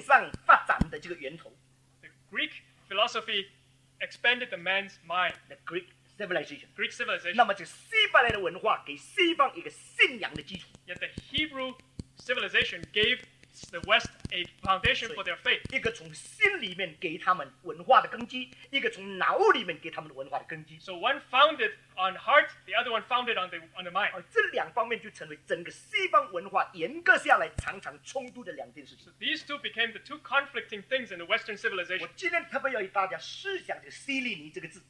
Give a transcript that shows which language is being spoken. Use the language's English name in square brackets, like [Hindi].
[Chinese] 希腊的文化给西方理性上发展的这个源头. [English] The Greek philosophy expanded the man's mind. The Greek civilization. Greek civilization. [Chinese] 那么这西伯来的文化给西方一个信仰的基础. [English] Yet the Hebrew civilization gave the West a foundation for their faith. [Chinese] 一个从心里面给他们文化的根基, 一个从脑里面给他们文化的根基. [English] So one founded on heart, the other one founded on the mind. [Chinese] 这两方面就成为整个西方文化严格下来常常冲突的两件事情. [English] So these two became the two conflicting things in the Western civilization. [Chinese] 我今天特别要与大家思想这个希利尼这个字.